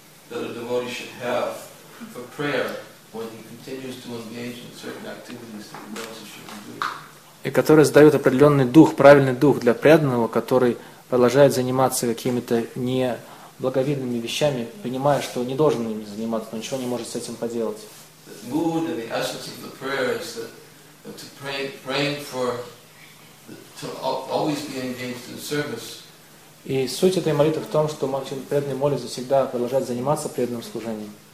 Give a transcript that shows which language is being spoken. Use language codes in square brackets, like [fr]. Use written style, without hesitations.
[en] that a devotee should have for prayer when he continues to engage in certain activities that he knows he should be doing. [ru] И который создает определенный дух, правильный дух для преданного, который продолжает заниматься какими-то неблаговидными вещами, понимая, что не должен ими заниматься, но ничего не может с этим поделать. [en] The mood and the essence of the prayer is that to pray, praying for, to always be engaged in service. [ru] И суть этой молитвы в том, что преданный молится всегда продолжать заниматься преданным служением.